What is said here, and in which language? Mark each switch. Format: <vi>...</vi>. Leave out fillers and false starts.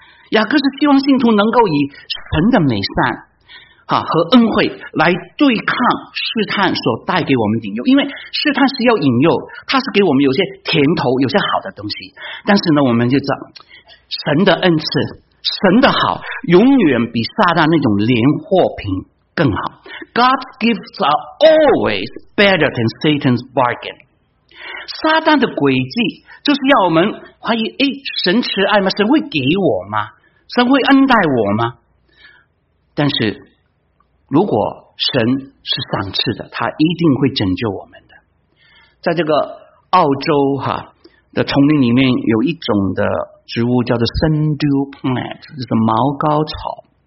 <zh>雅各是希望信徒能够以神的美善和恩惠来对抗试探所带给我们的引诱，因为试探是要引诱，它是给我们有些甜头，有些好的东西。但是呢，我们就知道神的恩赐，神的好永远比撒旦那种连货品更好。</zh> <en>God's gifts are always better than Satan's bargain。</en> <zh>撒旦的诡计就是要我们怀疑，哎，神慈爱吗？神会给我吗？神会恩待我吗？但是如果神是赏赐的，他一定会拯救我们的。在这个澳洲的丛林里面有一种的植物叫做 sundew plant， 就是毛膏草。</zh>